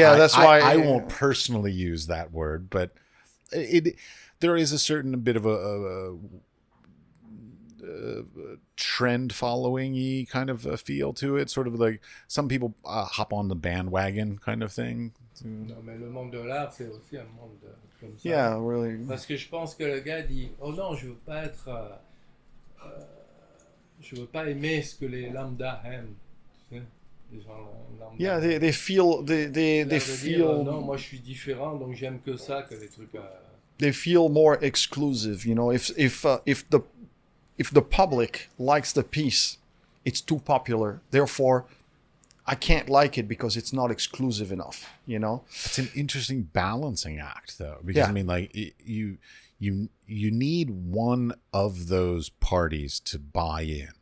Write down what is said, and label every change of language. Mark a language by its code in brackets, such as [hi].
[en] I won't personally use that word, but there is a certain bit of trend following-y kind of a feel to it. Sort of like some people hop on the bandwagon kind of thing. [fr] Non, mais le monde de l'art, c'est aussi un monde de, comme ça. [en] Yeah, really. [fr] Parce que je pense que le gars dit, oh non, je veux pas être, je veux pas aimer ce que les lambda aiment. Les gens lambda. [en] Yeah, they feel, they feel. [fr] Dire, oh non, moi je suis différent, donc j'aime que ça, que les trucs. [en] They feel more exclusive, you know. If the public likes the piece, it's too popular. Therefore, I can't like it because it's not exclusive enough, you know? It's an interesting balancing act, though. Because, I mean, like, you need one of those parties to buy in.